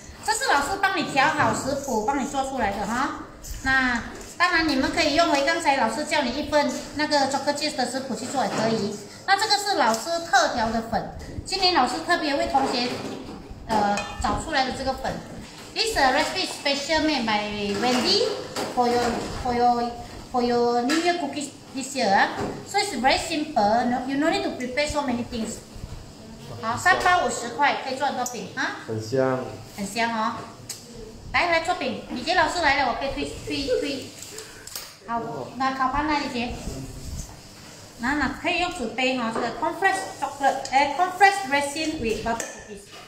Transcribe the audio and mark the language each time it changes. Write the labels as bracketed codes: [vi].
[zh] 这是老师帮你调好食谱，帮你做出来的哈。那当然，你们可以用回刚才老师叫你一份那个 chocolate cheese 的食谱去做也可以。那这个是老师特调的粉，今天老师特别为同学找出来的这个粉。 [en] This recipe special made by Wendy for your New Year cookies this year. So it's very simple. You no need to prepare so many things. [zh] 好，三包五十块，可以做很多饼啊。很香。很香哦。来来做饼，李杰老师来了，我可以推推推。好，那烤盘来，李杰。那那可以用纸杯哈，这个 compressed chocolate， compressed resin with butter cookies。